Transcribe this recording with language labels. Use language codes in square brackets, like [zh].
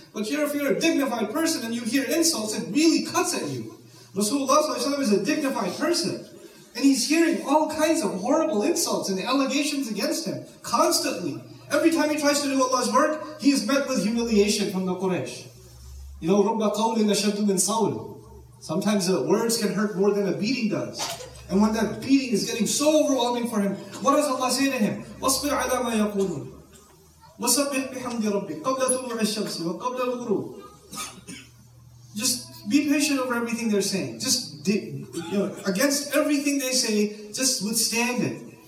[en] But here, if you're a dignified person and you hear insults, it really cuts at you. Rasulullah is a dignified person. And he's hearing all kinds of horrible insults and allegations against him constantly. Every time he tries to do Allah's work, he is met with humiliation from the Quraysh. You know, [ar] رُبَّ قَوْلٍ أَشَدُّ مِنْ صَوْلٍ. [en] Sometimes the words can hurt more than a beating does. And when that beating is getting so overwhelming for him, what does Allah say to him? [ar] وَاصْبِرْ عَلَى مَا يَقُولُونَ وَسَبِّحْ بِحَمْدِ رَبِّكَ قَبْلَ طُلُوعِ الشَّمْسِ وَقَبْلَ الْغُرُوبِ. [en] Just be patient over everything they're saying. Against everything they say, just withstand it.